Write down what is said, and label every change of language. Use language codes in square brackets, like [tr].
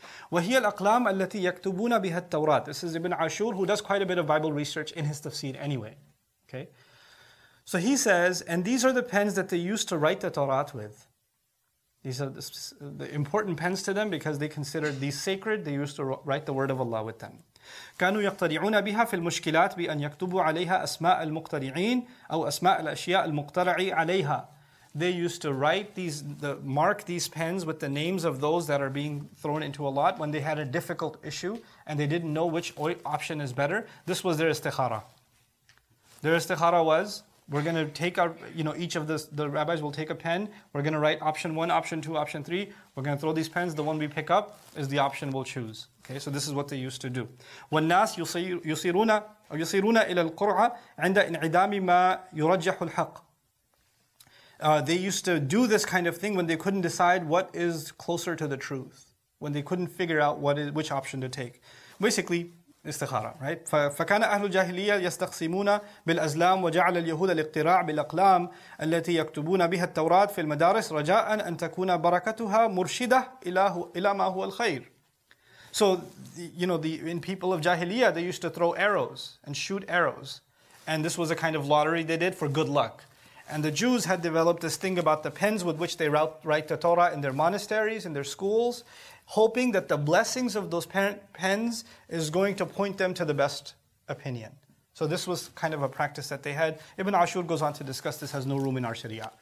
[ar] وَهِيَ الْأَقْلَامَ الَّتِي يَكْتُبُونَ بِهَا التَّوْرَاةِ [en] This is Ibn Ashur, who does quite a bit of Bible research in his tafsir anyway. Okay? So he says, and these are the pens that they used to write the Torah with. These are the important pens to them because they considered these sacred. They used to write the word of Allah with them. [ar] كانوا يقتدعون بها في المشكلات بأن يكتبوا عليها أسماء المقتدعين أو أسماء الأشياء المقترع عليها. [en] They used to write mark these pens with the names of those that are being thrown into a lot when they had a difficult issue and they didn't know which option is better. This was their istikhara. Their istikhara was, we're going to take each of the rabbis will take a pen. We're going to write option one, option two, option three. We're going to throw these pens. The one we pick up is the option we'll choose. Okay, so this is what they used to do. [ar] والناس يصيرون إلى القرعة عند انعدام ما يرجح الحق. [en] They used to do this kind of thing when they couldn't decide what is closer to the truth, when they couldn't figure out which option to take. Basically, استخارة, right? [ar] فَكَانَ أَهْلُ الْجَاهِلِيَّةِ يَسْتَقْسِمُونَ بِالْأَزْلَامِ وَجَعَلَ الْيَهُودَ الْإِقْتِرَاعَ بِالْأَقْلَامِ الَّتِي يَكْتُبُونَ بِهَا التَّوْرَاةَ فِي الْمَدَارِسِ رَجَاءً أَنْ تَكُونَ بَرَكَتُهَا مُرْشِدَةً إِلَى مَا هُوَ الْخَيْرُ [en] So, you know, in people of Jahiliyyah, they used to throw arrows and shoot arrows. And this was a kind of lottery they did for good luck. And the Jews had developed this thing about the pens with which they write the Torah in their monasteries, in their schools, hoping that the blessings of those pens is going to point them to the best opinion. So this was kind of a practice that they had. Ibn Ashur goes on to discuss this has no room in our Sharia.